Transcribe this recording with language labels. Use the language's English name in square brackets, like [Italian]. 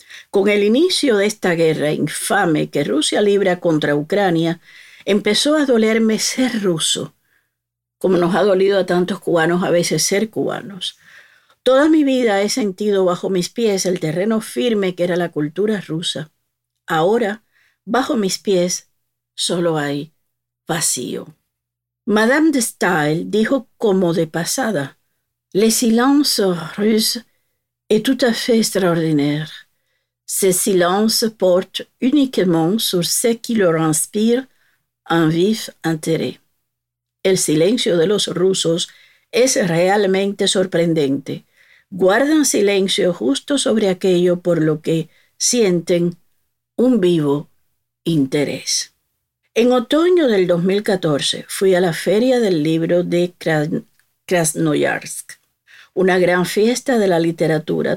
[Spanish] Con el inicio de esta guerra infame que Rusia libra contra Ucrania, empezó a dolerme ser ruso, como nos ha dolido a tantos cubanos a veces ser cubanos. Toda mi vida he sentido bajo mis pies el terreno firme que era la cultura rusa. Ahora, bajo mis pies, solo hay vacío. [French] Madame de Staël [Spanish] dijo como de pasada: [French] le silence russe est tout à fait extraordinaire. Ce silence porte uniquement sur ce qui leur inspire un vif intérêt. [Spanish] El silencio de los rusos es realmente sorprendente. Guardan silencio justo sobre aquello por lo que sienten un vivo interés. En otoño del 2014 fui a la Feria del Libro de Krasnoyarsk, una gran fiesta de la literatura.